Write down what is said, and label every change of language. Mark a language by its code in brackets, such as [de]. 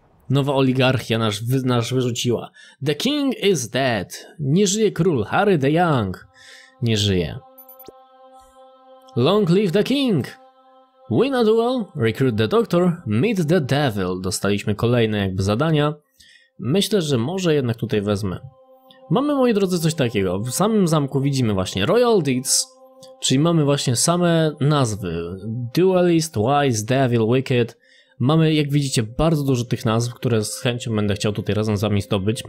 [pl] Nowa oligarchia nas wyrzuciła. [en] The king is dead. [pl] Nie żyje król, Harry the Young. Nie żyje. [en] Long live the king! Win a duel, recruit the doctor, meet the devil. [pl] Dostaliśmy kolejne jakby zadania. Myślę, że może jednak tutaj wezmę. Mamy, moi drodzy, coś takiego. W samym zamku widzimy właśnie Royal Deeds, czyli mamy właśnie same nazwy. Duelist, Wise, Devil, Wicked. Mamy, jak widzicie, bardzo dużo tych nazw, które z chęcią będę chciał tutaj razem z wami zdobyć.